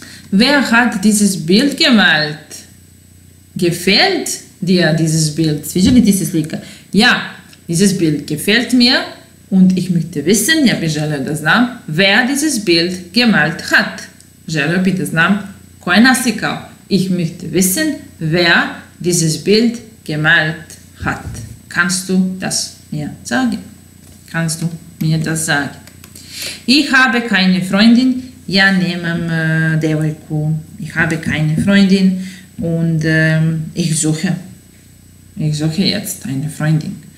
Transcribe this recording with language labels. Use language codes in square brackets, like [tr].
[de] Wer hat dieses Bild gemalt? Gefällt dir dieses Bild? [sr] Sviđa li ti se slika? [de] Ja, dieses Bild gefällt mir und ich möchte wissen, [sr] ja bih želeo da znam, [de] wer dieses Bild gemalt hat. [sr] Želeo bih da znam ko je naslikao. [de] Ich möchte wissen, wer dieses Bild gemalt hat. Kannst du das mir sagen? Kannst du mir das sagen? Ich habe keine Freundin, [sr] ja nemam devojku. [de] Ich habe keine Freundin und ich suche jetzt eine Freundin.